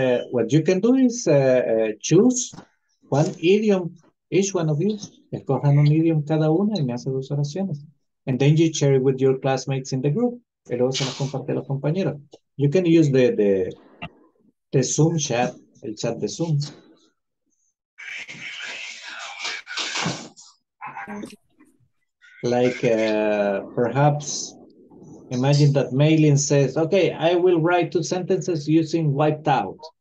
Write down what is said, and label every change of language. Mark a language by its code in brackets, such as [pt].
[en] What you can do is choose one idiom, each one of you. [es] Escojan un idiom cada una y me hace 2 oraciones. [en] And then you share it with your classmates in the group. [es] Y luego se los comparte a los compañeros. [en] You can use the Zoom chat, [es] el chat de Zoom. [en] Perhaps... Imagine that Maylin says, okay, I will write 2 sentences using wiped out.